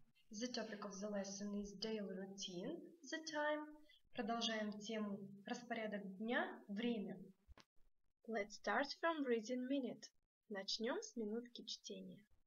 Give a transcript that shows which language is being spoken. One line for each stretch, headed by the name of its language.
English: The topic of the lesson is daily routine, the time.
Russian: Продолжаем тему распорядок дня, время.
English: Let's start from reading minute.
Russian: Начнем с минутки чтения.